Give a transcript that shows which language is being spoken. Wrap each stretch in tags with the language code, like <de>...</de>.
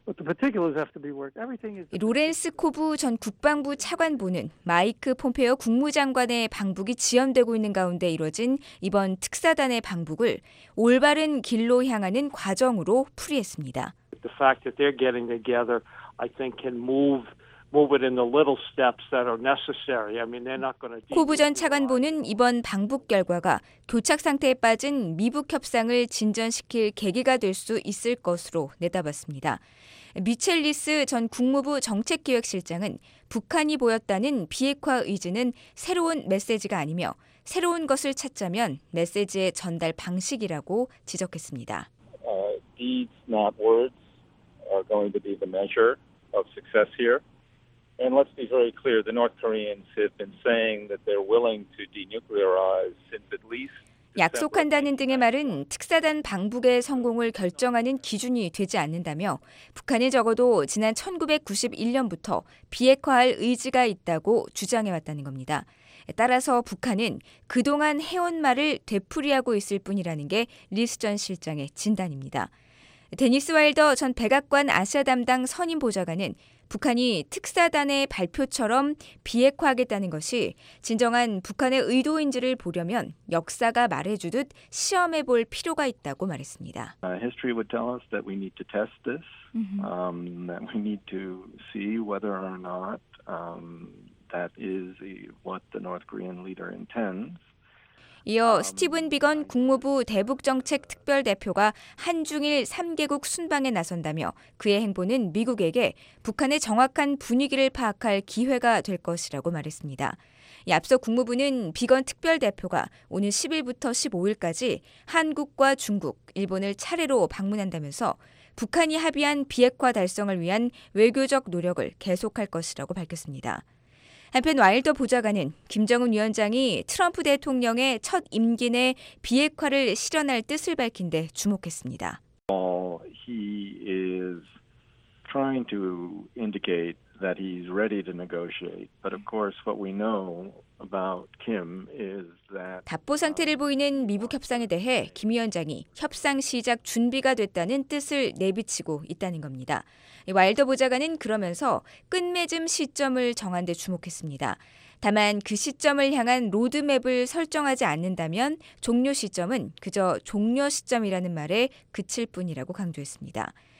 <ko>Lorenz Kovu 전 국방부 차관보는 마이크 폼페오 국무장관의 방북이 지연되고 있는 가운데 이뤄진 이번 특사단의 방북을 올바른 길로 향하는 과정으로 풀이했습니다.</ko> <en>The fact that they're getting together, I think, can move. Move it in the little steps that are necessary. I mean, they're not going to.</en> <ko>코브 전 차관보는 이번 방북 결과가 교착 상태에 빠진 미북 협상을 진전시킬 계기가 될 수 있을 것으로 내다봤습니다. 미첼리스 전 국무부 정책기획실장은 북한이 보였다는 비핵화 의지는 새로운 메시지가 아니며 새로운 것을 찾자면 메시지의 전달 방식이라고 지적했습니다.</ko> <en>Deeds, not words, are going to be the measure of success here. And let's be very clear, the North Koreans have been saying that they're willing to denuclearize since at least</en> <ko>약속한다는 등의 말은 특사단 방북의 성공을 결정하는 기준이 되지 않는다며 북한이 적어도 지난 1991년부터 비핵화할 의지가 있다고 주장해왔다는 겁니다. 따라서 북한은 그동안 해온 말을 되풀이하고 있을 뿐이라는 게 리스 전 실장의 진단입니다. 데니스 와일더 전 백악관 아시아 담당 선임 보좌관은 북한이 특사단의 발표처럼 비핵화하겠다는 것이 진정한 북한의 의도인지를 보려면 역사가 말해주듯 시험해 볼 필요가 있다고 말했습니다.</ko> <en>History would tell us that we need to test this, that we need to see whether or not that is what the North Korean leader intends.</en> <ko>이어 스티븐 비건 국무부 대북정책특별대표가 한중일 3개국 순방에 나선다며 그의 행보는 미국에게 북한의 정확한 분위기를 파악할 기회가 될 것이라고 말했습니다. 앞서 국무부는 비건 특별대표가 오는 10일부터 15일까지 한국과 중국, 일본을 차례로 방문한다면서 북한이 합의한 비핵화 달성을 위한 외교적 노력을 계속할 것이라고 밝혔습니다. 한편 와일더 보좌관은 김정은 위원장이 트럼프 대통령의 첫 임기 내 비핵화를 실현할 뜻을 밝힌 데 주목했습니다.</ko> <en>He is trying to indicate that he's ready to negotiate. But of course what we know about Kim is that</en> <ko>답보 상태를 보이는 미북 협상에 대해 김 위원장이 협상 시작 준비가 됐다는 뜻을 내비치고 있다는 겁니다. 와일더 보좌관은 그러면서 끝맺음 시점을 정한 데 주목했습니다. 다만 그 시점을 향한 로드맵을 설정하지 않는다면 종료 시점은 그저 종료 시점이라는 말에 그칠 뿐이라고 강조했습니다.</ko>